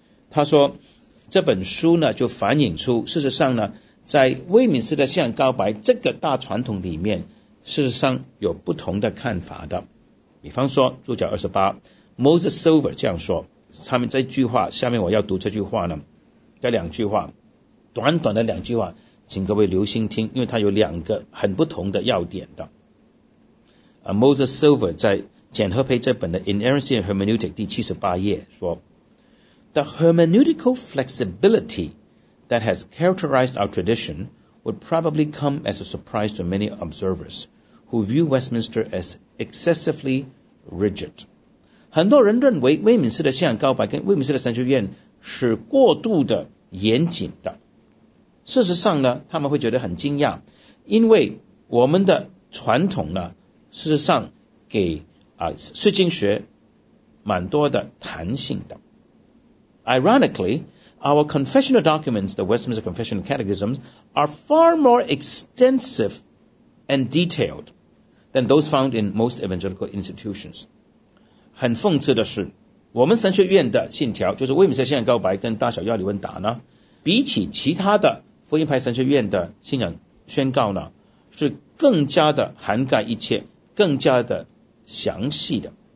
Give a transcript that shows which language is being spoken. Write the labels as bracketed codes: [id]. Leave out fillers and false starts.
[zh] 他说这本书呢就反映出事实上呢在威敏斯的信仰告白这个大传统里面事实上有不同的看法的。比方说注脚28 Moses Silver 这样说，他们这句话下面我要读这句话呢，这两句话短短的两句话请各位留心听，因为它有两个很不同的要点的。 [en] Moses Silver [zh] 在简和培这本的 [en] Inerrancy and Hermeneutic [zh] 第78页说， [en] The hermeneutical flexibility that has characterized our tradition would probably come as a surprise to many observers who view Westminster as excessively rigid。 [zh] 很多人认为威敏斯的信仰告白跟威敏斯的神学院是过度的严谨的，事实上呢他们会觉得很惊讶，因为我们的传统呢事实上给释经学蛮多的弹性的。 [en] Ironically, our confessional documents, the Westminster Confessional Catechisms, are far more extensive and detailed than those found in most evangelical institutions。 [zh] 很讽刺的是我们神学院的信条就是威敏斯信仰告白跟大小要理问答呢，比起其他的福音派神学院的信仰宣告呢是更加的涵盖一切，更加的详细的。